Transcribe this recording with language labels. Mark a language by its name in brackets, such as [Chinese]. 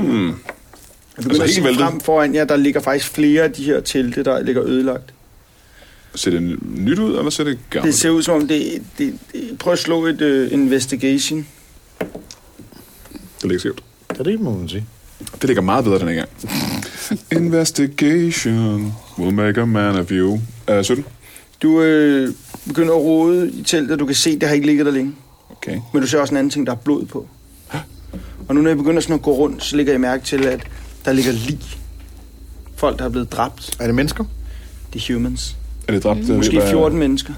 [Danish] Mm. Altså ikke væltet? Frem foran jer, der ligger faktisk flere af de her telte, der ligger ødelagt. Ser det nyt ud, eller ser det gammelt? Det ser ud som om det prøv at slå et investigation. Det ligger skævt. Ja, det må man sige. Det ligger meget bedre den gang. [English] Investigation will make a man of you. 17. [Danish] Du begynder at rode i teltet, du kan se, det har ikke ligget der længe. Okay. Men du ser også en anden ting, der er blod på. Og nu når jeg begynder sådan at gå rundt, så ligger jeg mærke til, at der ligger lig. Folk, der er blevet dræbt. Er det mennesker? Det er humans. Er det dræbt? Måske 14 mennesker.